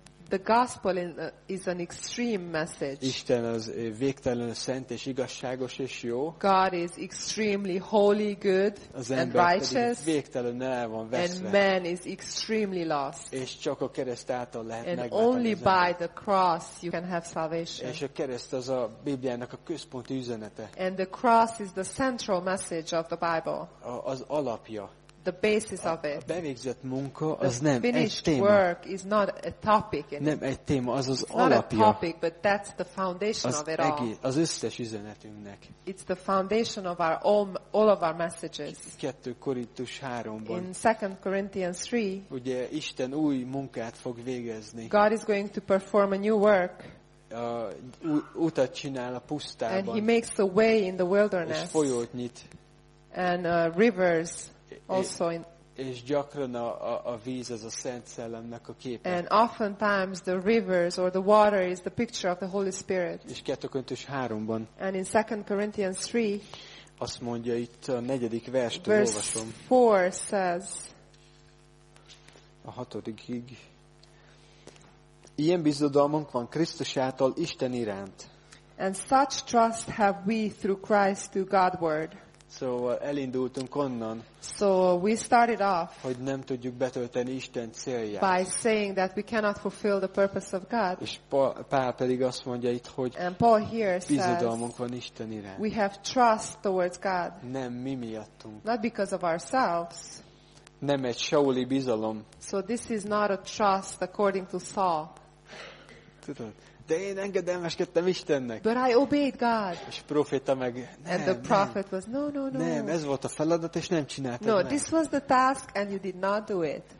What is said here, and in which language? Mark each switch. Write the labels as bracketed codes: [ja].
[en] The gospel is an extreme message. [hu] Isten az végtelenül szent és igazságos és jó. [en] God is extremely holy, good and righteous. [hu] Végtelenül el van veszve. [en] And man is extremely lost. [hu] És csak a kereszt által lehet megváltozni. [en] And only by the cross you can have salvation. [hu] És a kereszt az a Bibliának a központi üzenete. [en] And the cross is the central message of the Bible. [hu] Az alapja. [en] The basis of it. [hu] A bevégzett munka [en] the [hu] az nem [en] finished [hu] egy téma. [en] Work is not a topic in [hu] nem egy téma, az az [en] it's [hu] alapja. [en] Not a topic, but that's the foundation [hu] az [en] of it all. [hu] Az összes üzenetünknek. [en] It's the foundation of our all of our messages. [hu] 2 Korintus 3-ban. [en] In 2 Corinthians 3. [hu] Ugye Isten új munkát fog végezni. [en] God is going to perform a new work. [hu] Utat csinál a pusztában. [en] And he makes a way in the wilderness. [hu] És folyót nyit. [en] And rivers. Also in, [hu] és gyakran a víz az a Szent Szellemnek a képe. [en] And oftentimes the rivers or the water is the picture of the Holy Spirit. [hu] És 2 Korintus 3-ban. [en] And in 2 Corinthians 3. [hu] Azt mondja itt a 4. verstől olvasom. [en] Verse 4 says. [hu] A 6. Ilyen bizodalmunk van Krisztus által Isten iránt. [en] And such trust have we through Christ to Godward. [hu] Szóval elindultunk onnan. [en] So we started off. [hu] Hogy nem tudjuk betölteni Isten célját. [en] By saying that we cannot fulfill the purpose of God. [hu] És Pál pedig azt mondja itt, hogy [en] and Paul here [hu] bizodalmunk [en] says, [hu] van Isten iránt. [en] We have trust towards God. [hu] Nem mi miattunk. [en] Not because of ourselves. [hu] Nem egy sauli bizalom. [en] So this is not a trust according to Saul. [hu] Tudod. De én engedelmeskedtem Istennek. [en] But I obeyed God. [hu] És proféta meg, nem, [en] and the prophet was no. [hu] Nem, ez volt a feladat és nem csináltam. [en] No, [hu] meg. [en] This was the task and you did not do it.